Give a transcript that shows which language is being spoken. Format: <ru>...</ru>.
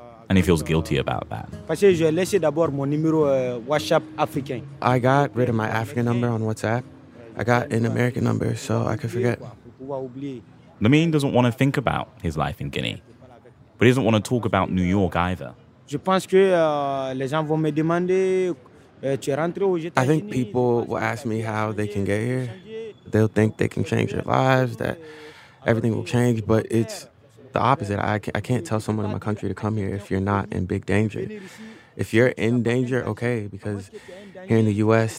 <en>And he feels guilty about that. I got rid of my African number on WhatsApp. I got an American number so I could forget. Lamine doesn't want to think about his life in Guinea. But he doesn't want to talk about New York either.</en> <fr>Je pense que les gens vont me demander...</fr> <en>I think people will ask me how they can get here. They'll think they can change their lives, that everything will change, but it's the opposite. I can't tell someone in my country to come here if you're not in big danger. If you're in danger, okay, because here in the U.S.</en>